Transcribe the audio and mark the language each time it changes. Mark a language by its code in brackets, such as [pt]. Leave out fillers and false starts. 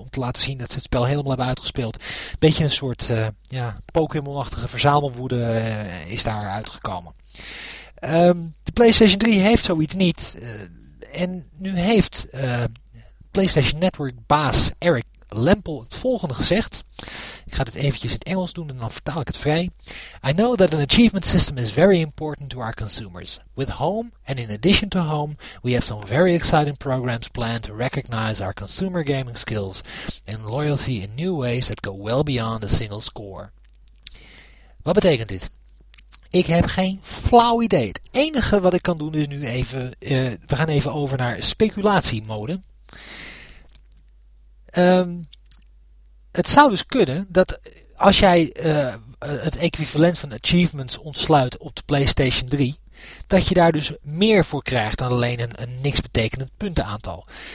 [nl] Om te laten zien dat ze het spel helemaal hebben uitgespeeld. Beetje een soort Pokémon-achtige verzamelwoede is daar uitgekomen. De PlayStation 3 heeft zoiets niet. En nu heeft PlayStation Network baas Eric Lempel het volgende gezegd. Ik ga dit eventjes in het Engels doen en dan vertaal ik het vrij. [en] I know that an achievement system is very important to our consumers. With home and in addition to home, we have some very exciting programs planned to recognize our consumer gaming skills and loyalty in new ways that go well beyond a single score. [nl] Wat betekent dit? Ik heb geen flauw idee. Het enige wat ik kan doen is nu even, we gaan even over naar speculatiemode. Het zou dus kunnen dat als jij het equivalent van achievements ontsluit op de PlayStation 3, dat je daar dus meer voor krijgt dan alleen een niks betekenend puntenaantal.